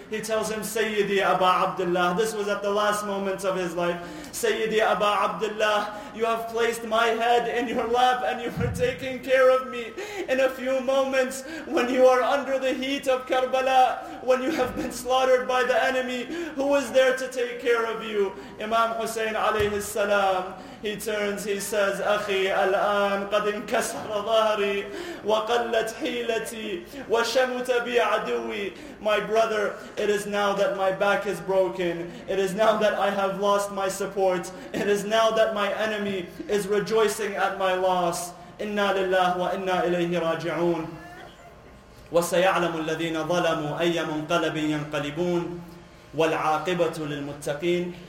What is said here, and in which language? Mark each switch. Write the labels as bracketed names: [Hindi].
[English] He tells him, Sayyidi Aba Abdullah, this was at the last moments of his life, Sayyidi Aba Abdullah, you have placed my head in your lap and you are taking care of me. In a few moments, when you are under the heat of Karbala, when you have been slaughtered by the enemy, who is there to take care of you? Imam Hussein alayhi salam, he turns, he says, [Arabic] أخي الآن قد انكسر ظهري وقلت حيلتي وشمت بي عدوي. [English] My brother, it is now that my back is broken. It is now that I have lost my support. It is now that my enemy is rejoicing at my loss. [Arabic] إِنَّا لِلَّهِ وَإِنَّا إِلَيْهِ رَاجِعُونَ وَسَيَعْلَمُ الَّذِينَ ظَلَمُوا أَيَّ مُنْقَلَبٍ يَنْقَلِبُونَ وَالْعَاقِبَةُ لِلْمُتَّقِينَ.